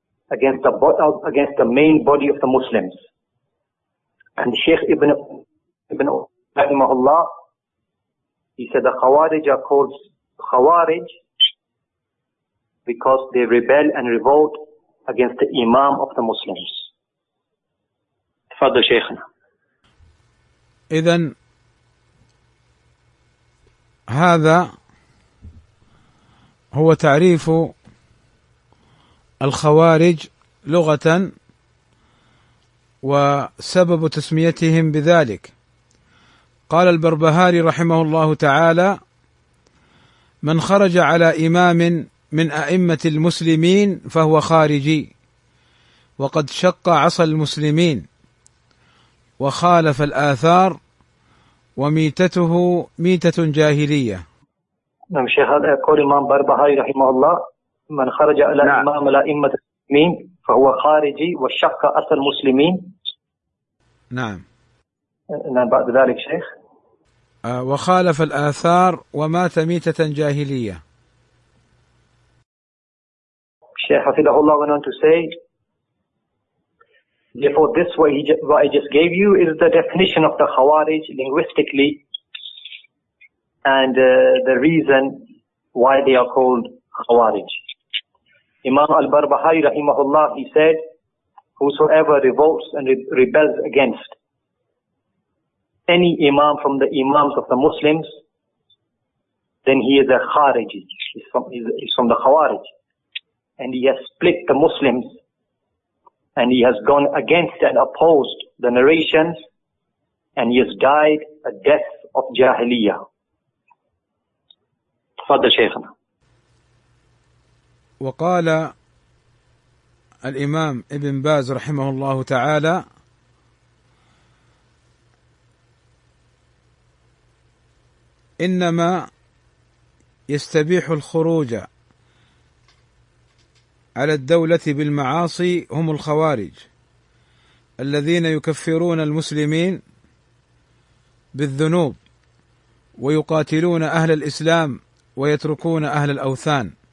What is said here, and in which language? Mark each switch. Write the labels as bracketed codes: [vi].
[en] against the main body of the Muslims. And Shaykh Ibn Rahimahullah, he said the Khawarij are called Khawarij because they rebel and revolt against the Imam of the Muslims. [ar] Father Shaykhna. إذن هذا هو تعريف الخوارج لغة وسبب تسميتهم بذلك. قال البربهاري رحمه الله تعالى: من خرج على إمام من أئمة المسلمين فهو خارجي، وقد شق عصا المسلمين وخالف الآثار، وميتته ميتة جاهلية. نعم شيخ، هذا يقول إمام بربهاري رحمه الله: من خرج على إمام الأئمة المسلمين فهو خارجي وشق عصا المسلمين. نعم. نعم بعد ذلك شيخ. وخالف الآثار ومات ميتة جاهلية. شيخ حفظه الله [en] went on to say, therefore, this what I just gave you is the definition of the Khawarij linguistically, and the reason why they are called Khawarij. Imam al-Barbahari rahimahullah, he said, whosoever revolts and rebels against any imam from the imams of the Muslims, then he is a Khawarij. He's from the Khawarij, and he has split the Muslims. And he has gone against and opposed the narrations, and he has died a death of jahiliyyah. [ar] Fadl Shaykhna. وقال الإمام ابن باز رحمه الله تعالى: إنما يستبيح الخروج على الدولة بالمعاصي هم الخوارج الذين يكفرون المسلمين بالذنوب ويقاتلون أهل الإسلام ويتركون أهل الأوثان.